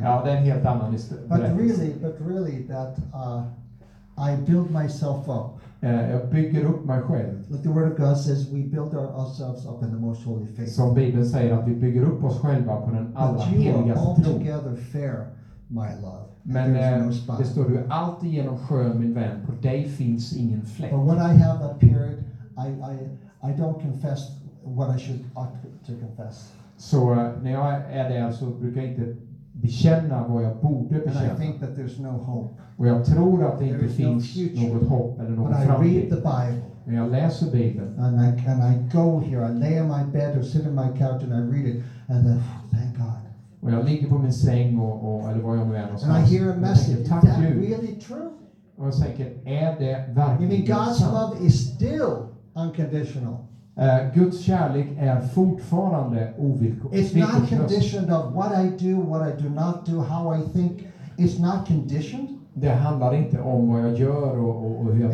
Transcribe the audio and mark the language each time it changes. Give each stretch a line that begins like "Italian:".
Swedish: Ja, det är en helt annan historia.
English: But really, that I build myself up.
Swedish: Jag bygger upp mig själv.
English: Like the word of God says, we build ourselves up in the most holy faith.
Swedish: Som Bibeln säger att vi bygger upp oss själva på den allra heligaste tron.
English: But you are altogether fair, my love.
Swedish: Men det står du alltid genom skön, min vän. På dig finns ingen fläck.
English: But when I have appeared, I don't confess what I should ought to confess.
Swedish: Så när jag är där så brukar jag inte bekänna vad jag borde bekänna.
English: And I think that there's no hope.
Swedish: Och jag tror att det inte finns något hopp eller någon framtid.
English: But I read the Bible.
Swedish: Men jag läser Bibeln.
English: And I go here, I lay on my bed or sit on my couch and I read it and then thank God.
Swedish: Och jag ligger på min säng och eller vad jag nu är.
English: And I hear a message.
Swedish: Tack Gud.
English: Is that really true?
Swedish: Och jag tänker, är det verkligen?
English: I mean, God's love is still unconditional.
Swedish: Guds kärlek är fortfarande ovillkorlig.
English: It's not conditioned of what I do, what I do not do, how I think. It's not conditioned.
Swedish: Det handlar inte om vad jag gör och hur jag